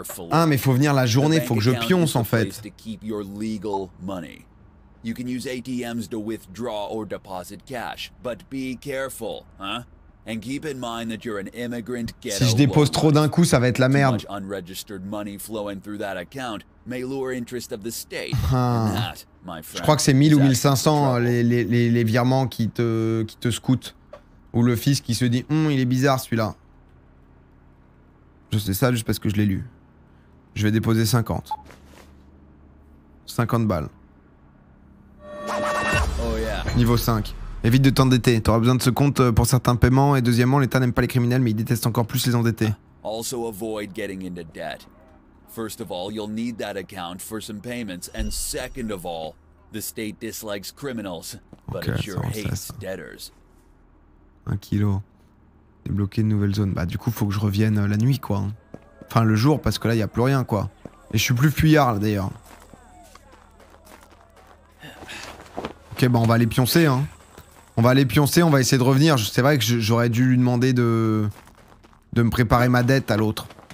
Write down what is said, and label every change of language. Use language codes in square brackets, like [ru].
[fr] Ah, mais faut venir la journée, faut que je pionce en fait. [en] You can use ATMs to withdraw or deposit cash, but be careful, hein? And keep in mind that you're an immigrant ghetto. [fr] Si je dépose trop d'un coup, ça va être la merde. [en] Too much unregistered money flowing through that account may lure interest of the state. [fr] Je crois que c'est 1000 ou 1500 les virements qui te scoutent. Ou le fisc qui se dit il est bizarre celui-là. Je sais ça juste parce que je l'ai lu. Je vais déposer 50. 50 balles. Oh yeah. Niveau 5. Évite de t'endetter. T'auras besoin de ce compte pour certains paiements. Et deuxièmement, l'État n'aime pas les criminels, mais il déteste encore plus les endettés. [en] Also avoid getting into debt. First of all, you'll need that account for some payments. And second of all, the state dislikes criminals, but it sure hates debtors. [fr] Un kilo. Débloquer une nouvelle zone. Bah du coup, faut que je revienne la nuit, quoi. Enfin, le jour, parce que là, y a plus rien, quoi. Et je suis plus fuyard, d'ailleurs. Ok, bah on va aller pioncer, hein. On va aller pioncer, on va essayer de revenir. C'est vrai que j'aurais dû lui demander de me préparer ma dette à l'autre.